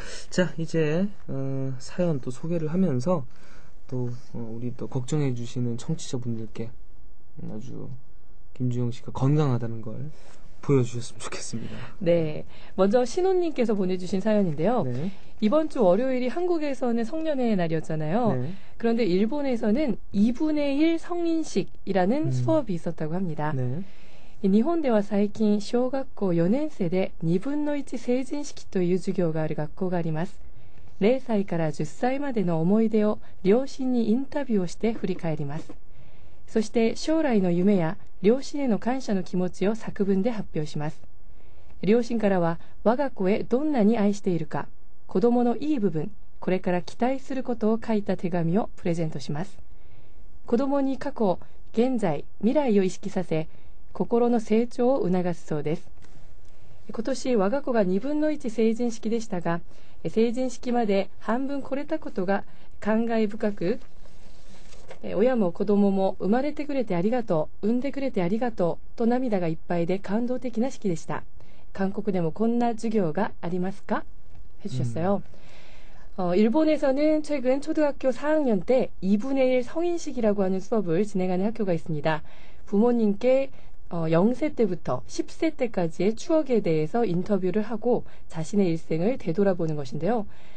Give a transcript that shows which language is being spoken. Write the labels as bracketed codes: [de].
[ko] 자, 이제 사연 또 소개를 하면서 또 우리 또 걱정해 주시는 청취자분들께 아주 김주영 씨가 건강하다는 걸 보여주셨으면 좋겠습니다. 네, 먼저 신호님께서 보내주신 사연인데요. 네. 이번 주 월요일이 한국에서는 성년회의 날이었잖아요. 네. 그런데 일본에서는 2분의 1 성인식이라는 수업이 있었다고 합니다. 네. [ja] 일본では最近 小学校 4年生で 2분의 1 成人式という 授業がある [ko] 학교가 [ja] あります. 0歳から 10歳までの 思い出を 両親に インタビューをして 振り返ります. そして将来の夢や 両親への感謝の気持ちを 作文で発表します. 両親からは 我が子へどんなに愛しているか 子供のいい部分、これから期待することを書いた手紙をプレゼントします。子供に過去、現在、未来を意識させ、心の成長を促すそうです。今年我が子が2分の1成人式でしたが、成人式まで半分来れたことが感慨深く、親も子供も生まれてくれてありがとう、産んでくれてありがとうと涙がいっぱいで感動的な式でした。韓国でもこんな授業がありますか? [ko] 해주셨어요. 일본에서는 최근 초등학교 4학년 때 2분의 1 성인식이라고 하는 수업을 진행하는 학교가 있습니다. 부모님께 0세 때부터 10세 때까지의 추억에 대해서 인터뷰를 하고 자신의 일생을 되돌아보는 것인데요.